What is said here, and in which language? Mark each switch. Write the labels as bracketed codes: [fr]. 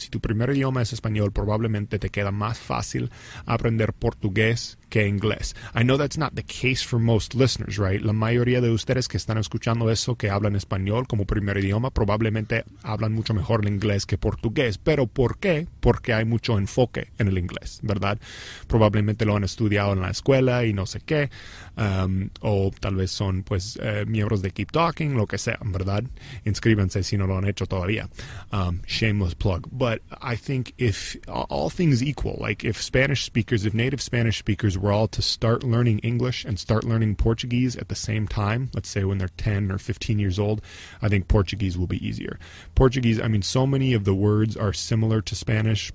[es] Si tu primer idioma es español, probablemente te queda más fácil aprender portugués que inglés. [en] I know that's not the case for most listeners, right? [es] La mayoría de ustedes que están escuchando eso, que hablan español como primer idioma, probablemente hablan mucho mejor el inglés que portugués. Pero ¿por qué? Porque hay mucho enfoque en el inglés, ¿verdad? Probablemente lo han estudiado en la escuela y no sé qué. O tal vez son, pues, miembros de Keep Talking, lo que sea, ¿verdad? Inscríbanse si no lo han hecho todavía. [en] Shameless plug. But I think if all things equal, like if Spanish speakers, if native Spanish speakers were all to start learning English and start learning Portuguese at the same time, let's say when they're 10 or 15 years old, I think Portuguese will be easier. Portuguese, I mean, so many of the words are similar to Spanish.